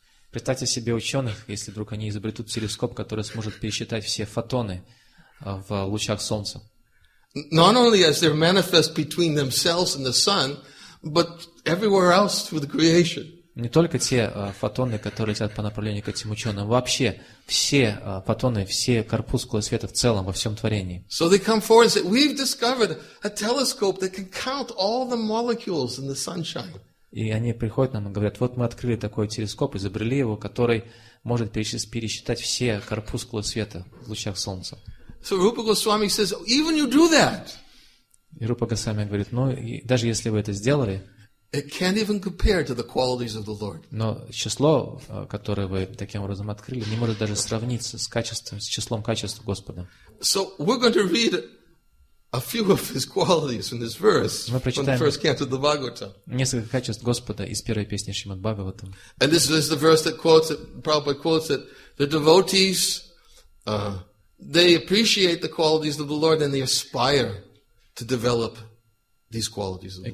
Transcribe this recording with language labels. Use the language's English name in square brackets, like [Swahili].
[Russian] Представьте себе ученых, если вдруг они изобретут телескоп, который сможет пересчитать все фотоны в лучах солнца. [English] Not only as they manifest between themselves and the sun, but everywhere else through the creation. [Russian] Не только те фотоны, которые летят по направлению к этим ученым, вообще все фотоны, все корпускулы света в целом во всем творении. [English] So they come forward and say, "We've discovered a telescope that can count all the molecules in the sunshine." [Russian] И они приходят нам и говорят, вот мы открыли такой телескоп, изобрели его, который может пересчитать все корпускулы света в лучах солнца. [English] So Rupa Goswami says, even you do that. [Russian] И Рупа Госвами говорит, ну, даже если вы это сделали, [English] it can't even compare to the qualities of the Lord. [Russian] Но число, которое вы таким образом открыли, не может даже сравниться с числом качеств Господа. [English] So we're going to read A few of his qualities in this verse from the first canto of the Bhagavatam. [Russian] Несколько качеств Господа из первой песни Шримад Бхагаватам. [English] And this is the verse that quotes it, Prabhupada quotes it, the devotees, they appreciate the qualities of the Lord and they aspire to develop these qualities of the Lord.